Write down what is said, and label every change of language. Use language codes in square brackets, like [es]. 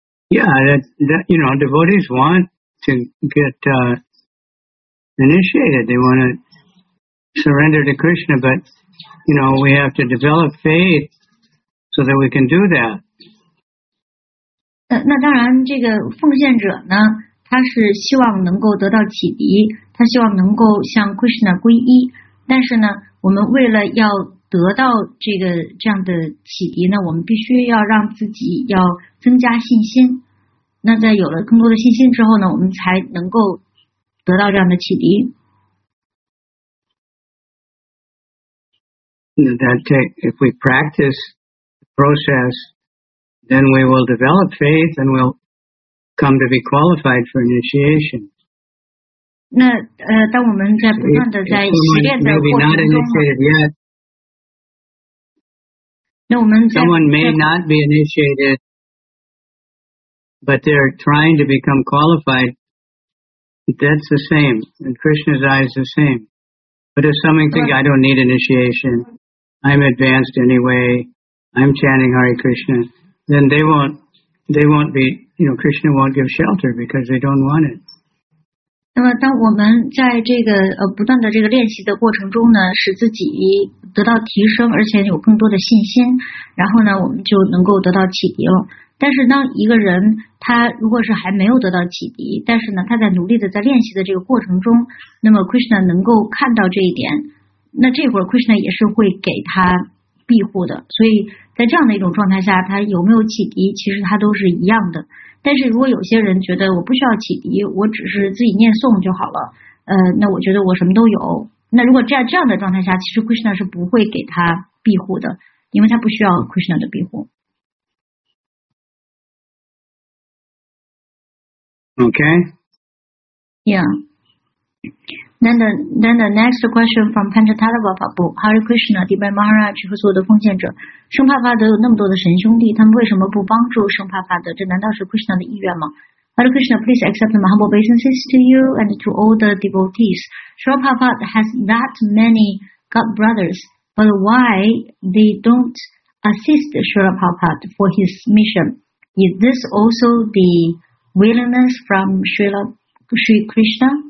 [en] Yeah, that, you know, devotees want to get initiated. They want to surrender to Krishna, but, you know, we have to develop faith so that we can do that. [zh] 那当然这个奉献者呢，他是希望能够得到启迪，他希望能够向 Krishna 皈依，但是呢，我们为了要得到这个这样的启迪呢，我们必须要让自己要增加信心。那在有了更多的信心之后呢，我们才能够得到这样的启迪。 [en] If we practice the process, then we will develop faith and we'll come to be qualified for initiation. [zh] 那当我们在不断的在习练的过程中。 [en] Someone may not be initiated, but they're trying to become qualified. That's the same. In Krishna's eyes, the same. But if someone thinks, I don't need initiation, I'm advanced anyway, I'm chanting Hare Krishna, then they won't be, you know, Krishna won't give shelter because they don't want it. [zh] 那么当我们在这个不断的这个练习的过程中呢，使自己得到提升，而且有更多的信心，然后呢我们就能够得到启迪了。但是当一个人他如果是还没有得到启迪，但是呢他在努力的在练习的这个过程中，那么 Krishna 能够看到这一点，那这会儿 Krishna 也是会给他庇护的。所以在这样的一种状态下，他有没有启迪其实他都是一样的。但是如果有些人觉得我不需要启迪，我只是自己念诵就好了，那我觉得我什么都有。那如果在这样的状态下，其实 Krishna 是不会给他庇护的，因为他不需要 Krishna 的庇护。 [en] Okay. Yeah. Then the next question from Panchatattva Prabhu, Hare Krishna, Divine Maharaj [zh] 和所有的奉献者。圣帕法德有那么多的神兄弟，他们为什么不帮助圣帕法德？这难道是 Krishna 的意愿吗？ [en] Hare Krishna, please accept my humble obeisances to you and to all the devotees. Srila Prabhupada has that many god brothers, but why they don't assist Srila Prabhupada for his mission? Is this also the willingness from Sri Krishna?